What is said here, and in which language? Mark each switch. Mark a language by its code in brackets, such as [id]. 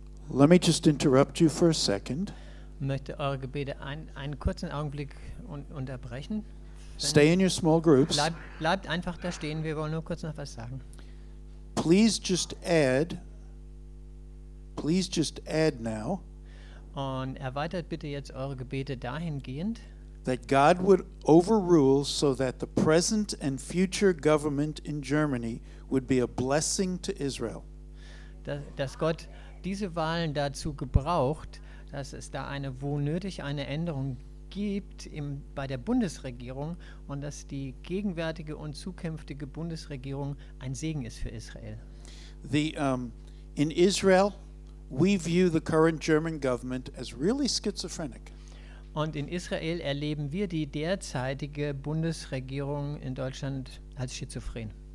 [en] Let me just interrupt you for a second. [de] Möchte eure Gebete einen kurzen Augenblick unterbrechen. [en] Stay in your small groups. [de] Bleibt einfach da stehen, wir wollen nur kurz noch was sagen. [en] Please just add now. [de] Und erweitert bitte jetzt eure Gebete dahingehend, [en] that God would overrule so that the present and future government in Germany would be a blessing to Israel. [de] Dass Gott diese Wahlen dazu gebraucht, dass es da eine, wo nötig, eine Änderung gibt bei der Bundesregierung und dass die gegenwärtige und zukünftige Bundesregierung ein Segen ist für Israel. [en] In Israel, we view the current German government as really schizophrenic. [de] Und in Israel erleben wir die derzeitige Bundesregierung in Deutschland als schizophren.